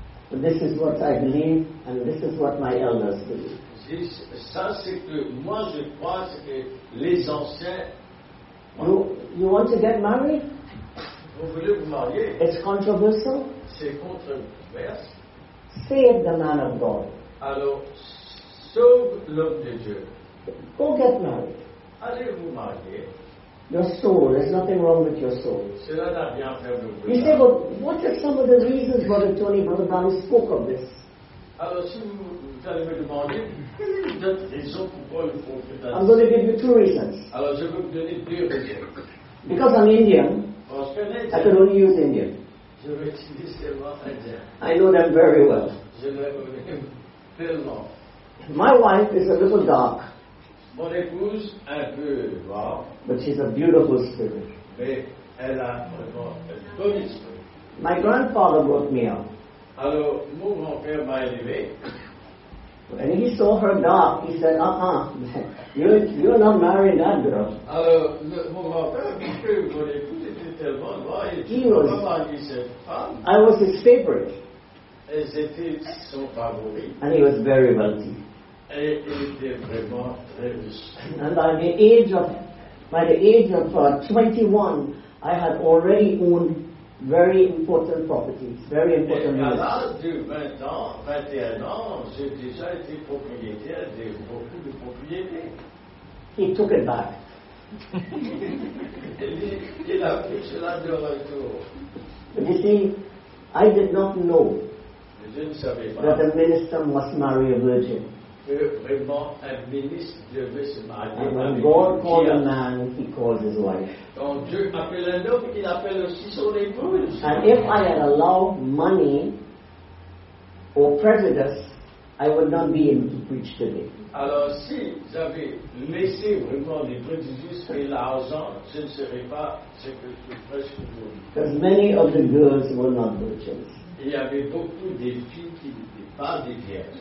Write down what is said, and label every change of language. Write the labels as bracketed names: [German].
[English] But this is what I believe, and this is what my elders believe. [French] Ça, c'est que moi, je crois que les anciens... [English] You want to get married? [French] Vous voulez vous marier? [English] It's controversial? [French] C'est controversé. [English] Save the man of God. [French] Alors, sauve l'homme de Dieu. [English] Go get married. [French] Allez vous marier. [English] Your soul, there's nothing wrong with your soul. [French] Cela n'a rien à faire de vous. [English] You say, but what are some of the reasons Brother Tony, Brother Barry spoke of this? [French] Alors, si vous allez me demander, quelle est notre raison pourquoi il faut que [English] I'm going to give you two reasons. [French] Alors, je vais vous donner deux raisons. [English] Because I'm Indian, [French] parce que [English] I can only use Indian. [French] Je vais utiliser seulement Indien. [English] I know them very well. [French] Je les connais tellement. [English] My wife is a little dark. [French] Mon épouse un peu noire. [English] But she's a beautiful spirit. [French] Mais elle a vraiment un bon esprit. [English] My grandfather brought me up. [French] Alors, mon grand-père m'a élevé. [English] When he saw her dark, he said, you're not marrying that girl. [French] Alors, mon grand-père, mon épouse était tellement noire, et il n'a pas marié cette femme. [English] I was his favorite. [French] Et c'était son favori. [English] And he was very wealthy. And by the age of 21, I had already owned very important properties, very important real estate. [French] À l'âge de 21 ans, j'ai déjà été propriétaire de beaucoup de propriétés. [English] He took it back. [French] Il a pris cela de retour. [English] You see, I did not know that a minister must marry a virgin. [French] Vraiment un ministre devait se marier. [English] And when God calls a man, he calls his wife. [French] Quand Dieu appelle un homme, il appelle aussi son épouse. [English] And if I had allowed money or prejudice, I would not be able to preach today. [French] Alors si j'avais laissé vraiment les prejudices et l'argent, ce ne serait pas ce que je prêche aujourd'hui. [English] Because many of the girls were not virgins. [French] Il y avait beaucoup de filles qui n'étaient pas des vierges.